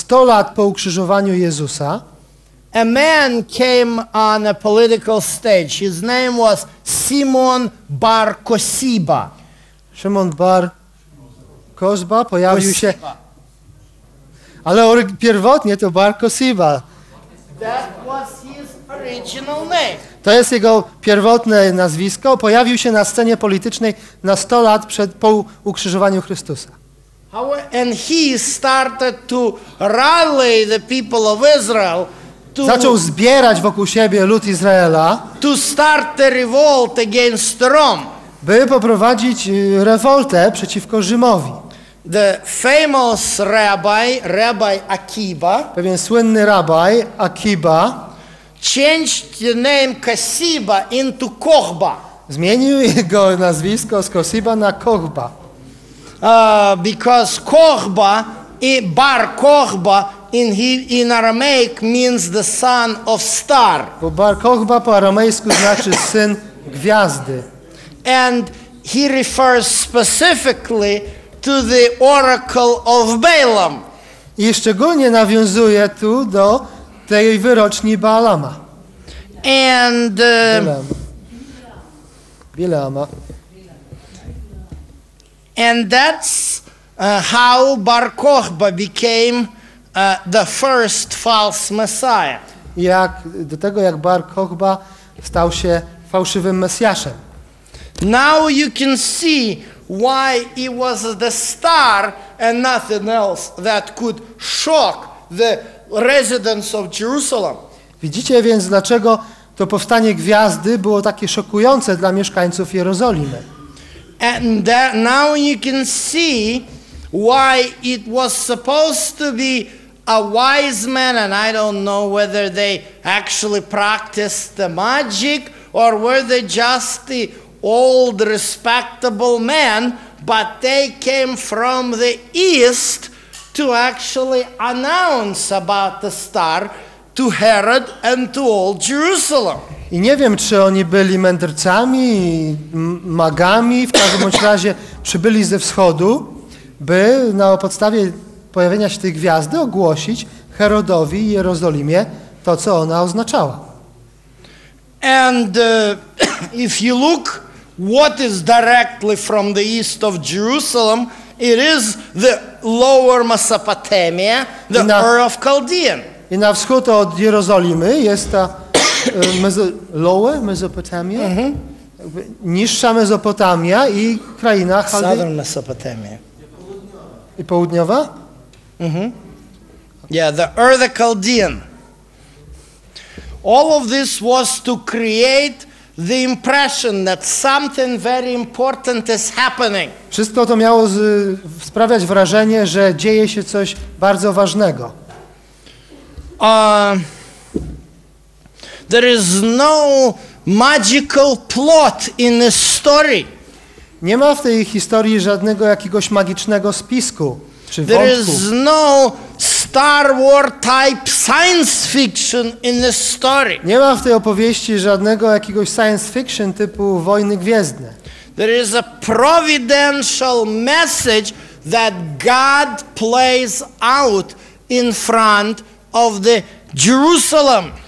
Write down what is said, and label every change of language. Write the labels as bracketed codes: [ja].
[pl] 100 lat po ukrzyżowaniu Jezusa. [en] A man came on a political stage. His name was Simon Bar Kosiba. [pl] Szymon Bar Kosiba pojawił się. Ale pierwotnie to Bar Kosiba. [en] That was his original name. [pl] To jest jego pierwotne nazwisko. Pojawił się na scenie politycznej na 100 lat przed po ukrzyżowaniu Chrystusa. [en] And he started to rally the people of Israel to [pl] zaczął zbierać wokół siebie lud Izraela, [en] to start the revolt against Rome, [pl] by poprowadzić rewoltę przeciwko Rzymowi. [en] The famous rabbi, Rabbi Akiba, [pl] pewien słynny rabbi Akiba, [en] changed the name Kosiba into Kochba. [pl] Zmienił jego nazwisko z Kosiba na Kochba. [en] Because Kochba, Bar Kochba in Aramaic means the son of star. [pl] Bo Bar Kochba po aramejsku znaczy syn gwiazdy. [en] And he refers specifically to the oracle of Balaam. [pl] I szczególnie nawiązuje tu do tej wyroczni Balaama. [en] And [pl] Bileama. [en] And that's how Bar Kochba became the first false Messiah. [pl] Jak do tego, jak Bar Kochba stał się fałszywym mesjaszem. [en] Now you can see why it was the star and nothing else that could shock the residents of Jerusalem. [pl] Widzicie więc, dlaczego to powstanie gwiazdy było takie szokujące dla mieszkańców Jerozolimy. [en] And that now you can see why it was supposed to be a wise man, and I don't know whether they actually practiced the magic or were they just the old respectable men, but they came from the east to actually announce about the star to Herod and to all Jerusalem. [pl] I nie wiem, czy oni byli mędrcami, magami, w każdym razie przybyli ze wschodu, by na podstawie pojawienia się tej gwiazdy ogłosić Herodowi i Jerozolimie to, co ona oznaczała. [en] And if you look what is directly from the east of Jerusalem, it is the lower Mesopotamia, the Ur of Chaldean. [pl] I na wschód od Jerozolimy jest ta [en] lower Mesopotamia, [pl] niższa Mezopotamia i kraina Chaldea. [en] Southern Mesopotamia. [pl] I południowa? [en] Yeah, the Ur of Chaldean. All of this was to create the impression that something very important is happening. [pl] Wszystko to miało sprawiać wrażenie, że dzieje się coś bardzo ważnego. [en] There is no magical plot in this story. [pl] Nie ma w tej historii żadnego jakiegoś magicznego spisku czy wątku. [en] There is no Star Wars type science fiction in this story. [pl] Nie ma w tej opowieści żadnego jakiegoś science fiction typu Wojny Gwiezdne. [en] There is a providential message that God plays out in front of the Jerusalem.